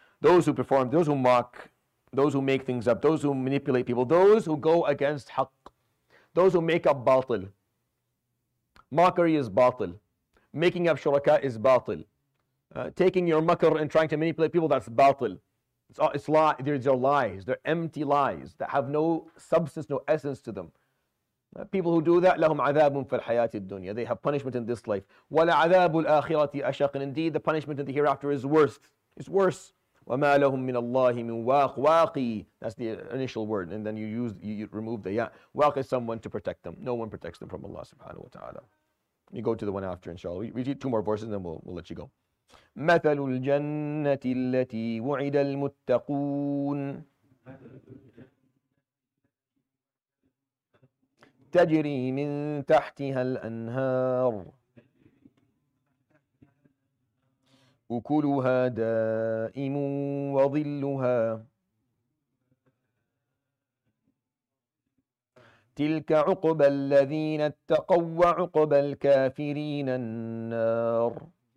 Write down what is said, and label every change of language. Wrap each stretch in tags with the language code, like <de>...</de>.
<en>Those who perform, those who mock, those who make things up, those who manipulate people, those who go against haqq, those who make up batil. Mockery is batil. Making up shuraka is batil. Taking your makr and trying to manipulate people, that's batil. It's lie. These are lies. They're empty lies that have no substance, no essence to them. People who do that,</en> <ar>لَهُمْ عَذَابٌ فِي الْحَيَاةِ الدُّنْيَا.</ar> <en>They have punishment in this life.</en> <ar>وَلَعَذَابُ الْآخِرَةِ أَشَقٍ.</ar> <en>Indeed, the punishment in the hereafter is worse. It's worse.</en> <ar>وَمَا لَهُم مِّنَ اللَّهِ مِن وَاقٍ وَاقٍ.</ar> <en>That's the initial word. And then you remove the ya. Waq is someone to protect them. No one protects them from Allah subhanahu wa ta'ala. You go to the one after, inshallah. We read two more verses, then we'll let you go.</en> <ar>مَثَلُ الْجَنَّةِ الَّتِي وُعِدَ الْمُتَّقُونَ تَجْرِي مِن تَحْتِهَا الْأَنْهَارُ أكلها دائم وظلها تلك عقبى الذين اتقوا وعقبى الكافرين النار</ar>